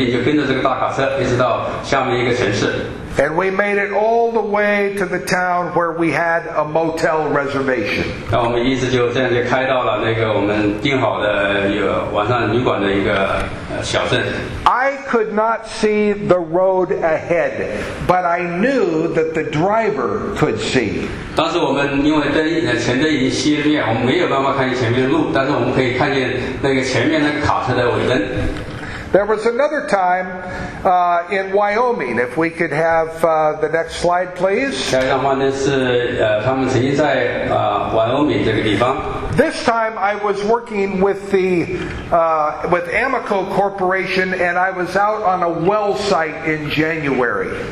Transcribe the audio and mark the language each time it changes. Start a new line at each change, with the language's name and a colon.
Chinese: 他跟他的太太讲，他可以看见那个车子的大卡车的尾灯，那可以他们决定就跟着这个大卡车一直到下面一个城市。
English: And we made it all the way to the town where we had a motel reservation.
Chinese: 那我们一直就这样就开到了那个我们订好的有晚上旅馆的一个小镇。
English: I could not see the road ahead, but I knew that the driver could see.
Chinese: 当时我们因为灯前灯已经熄灭，我们没有办法看见前面的路，但是我们可以看见那个前面那个卡车的尾灯。
English: There was another time in Wyoming. If we could have the next slide, please.
Chinese: 下一张画面是他们曾经在Wyoming这个地方。
English: This time I was working with the with Amoco Corporation, and I was out on a well site in January.